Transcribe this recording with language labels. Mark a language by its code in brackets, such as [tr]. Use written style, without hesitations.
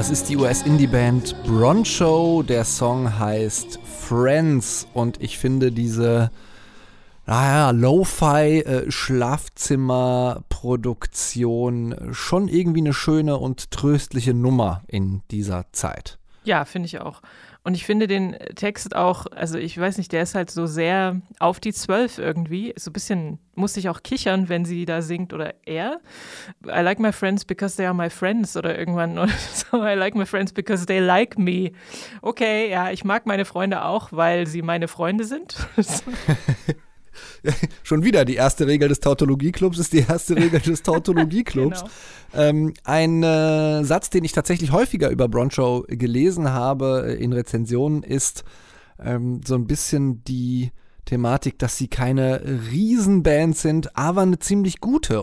[de] US-Indie-Band Broncho, der Song heißt Friends und ich finde diese Lo-Fi-Schlafzimmer-Produktion schon irgendwie eine schöne und tröstliche Nummer in dieser Zeit. Ja, finde ich auch. Und ich finde den Text auch, also ich weiß nicht, der ist halt so sehr auf die 12 irgendwie. So ein bisschen muss ich auch kichern, wenn sie da singt oder er. [en] I like my friends because they are my friends [de] oder irgendwann. Oder so. [en] I like my friends because they like me. [de] Okay, ja, ich mag meine Freunde auch, weil sie meine Freunde sind. Schon wieder die erste Regel des Tautologie-Clubs ist die erste Regel des Tautologie-Clubs. Genau. Ein Satz, den ich tatsächlich häufiger über Broncho gelesen habe in Rezensionen, ist so ein bisschen die Thematik, dass sie keine Riesenband sind, aber eine ziemlich gute.